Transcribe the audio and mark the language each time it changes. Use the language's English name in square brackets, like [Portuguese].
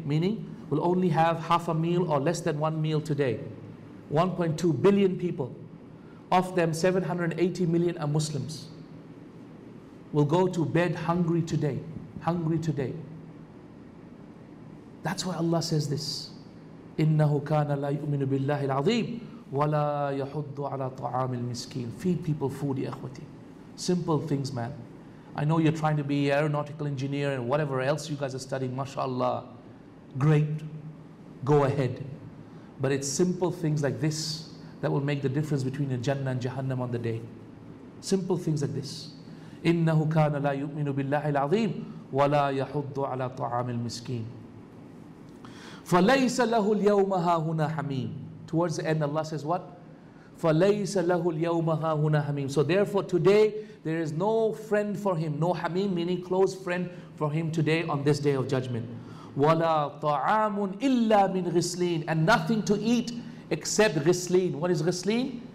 [English] Meaning, will only have half a meal or less than one meal today. 1.2 billion people. Of them, 780 million are Muslims. Will go to bed hungry today. Hungry today. That's why Allah says this. [Arabic] إِنَّهُ كَانَ لَا يُؤْمِنُ بِاللَّهِ الْعَظِيمِ وَلَا يَحُدُّ عَلَىٰ طَعَامِ الْمِسْكِينِ [English] Feed people food, [Arabic] يا أخوتي. [English] Simple things, man. I know you're trying to be aeronautical engineer and whatever else you guys are studying, mashallah. Great. Go ahead. But it's simple things like this that will make the difference between a Jannah and Jahannam on the day. Simple things like this. [Arabic] إِنَّهُ كَانَ لَا يُؤْمِنُ بِاللَّهِ الْعَظِيمِ وَلَا يَحُدُّ عَلَىٰ طَعَامِ الْمِسْكِينِ فَلَيْسَ لَهُ الْيَوْمَ هَا هُنَا حَمِيمٌ [English] Towards the end, Allah says what? [Arabic] فَلَيْسَ لَهُ الْيَوْمَ هَا هُنَا حَمِيمٌ [English] So therefore today, there is no friend for him, no hameem, meaning close friend for him today on this day of judgment. [Arabic] وَلَا طَعَامٌ إِلَّا مِنْ غِسْلِينَ [English] And nothing to eat except غِسْلِينَ What is غِسْلِينَ?